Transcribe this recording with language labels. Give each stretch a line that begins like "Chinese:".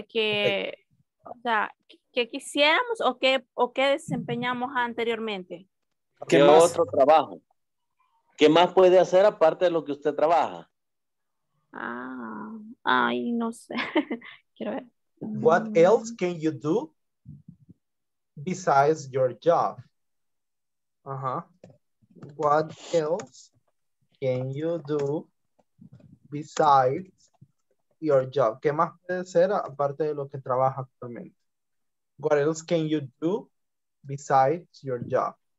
Spanish: Que, okay. O sea, ¿qué quisiéramos o qué desempeñamos anteriormente? ¿Qué más? Otro trabajo. ¿Qué más puede hacer aparte de lo que usted trabaja? Ah, ay, no sé. Quiero ver.
English: What else can you do besides your job? Uh-huh. What else can you do besides your job?
Spanish: ¿Qué más puede ser aparte de lo que trabaja actualmente?
English: What else can you do besides your job?